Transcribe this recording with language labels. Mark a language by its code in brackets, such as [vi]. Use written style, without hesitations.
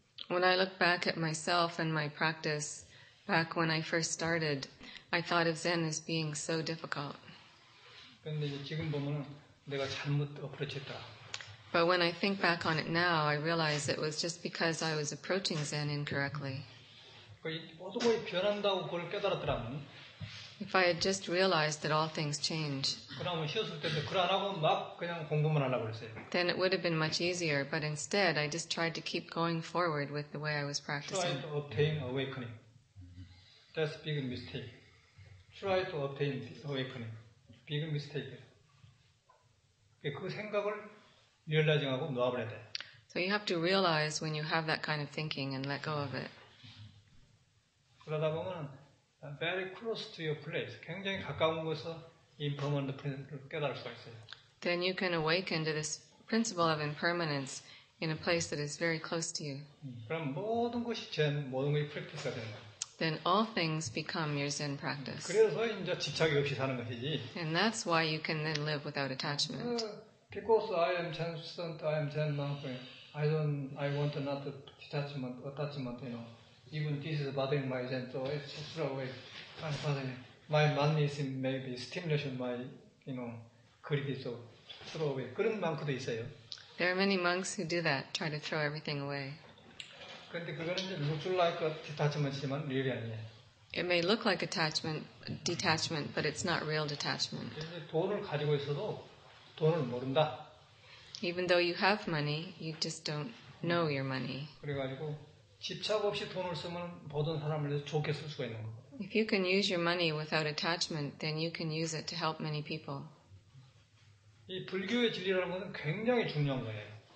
[en] When I look back at myself and my practice back when I first started, I thought of Zen as being so difficult. [ko] 근데 지금 보면은 내가 잘못 어프로치했다. [en] But when I think back on it now, I realize it was just because I was approaching Zen incorrectly. [ko] 어떻게 변한다고 그걸 깨달았더라면 [en] If I had just realized that all things change, then it would have been much easier, but instead I just tried to keep going forward with the way I was practicing. Try to obtain awakening. That's a big mistake. Try to obtain awakening. Big mistake. [ko] 그 생각을 realizing하고 놓아버려야 돼. [en] So you have to realize when you have that kind of thinking and let go of it. [ko] 그러다 보면 [en] Very close to your place. [ko] 굉장히 가까운 곳에서 impermanent principle를 깨달을 수가 있어요. [en] Then you can awaken to this principle of impermanence in a place that is very close to you. [ko] 그럼 모든 것이 Zen, 모든 것이 practice가 되는 거예요. [en] Then all things become your Zen practice. [ko] 그래서 이제 집착이 없이 사는 것이지. [en] And that's why you can then live without attachment. Because I am Zen student, I am Zen monk. I want not to detachment, attachment, you know. Even this is bothering my Zen, so it's just throw away. I'm bothering my mannism, maybe stimulation, my, you know, greed, so throw away. [ko] 그런 monk도 있어요. [en] There are many monks who do that, try to throw everything away. [ko] 근데 그거는 이제 [en] looks like detachment [ko] 이지만, really 아니에요. [en] It may look like attachment, detachment, but it's not real detachment. [ko] 돈을 가지고 있어도 돈을 모른다. [en] Even though you have money, you just don't know your money. [ko] 그래가지고 집착 없이 돈을 쓰면 모든 사람을 위해서 좋게 쓸 수가 있는 거예요. [en] If you can use your money without attachment, then you can use it to help many people. [ko] 이 불교의 진리라는 것은 굉장히 중요한 거예요.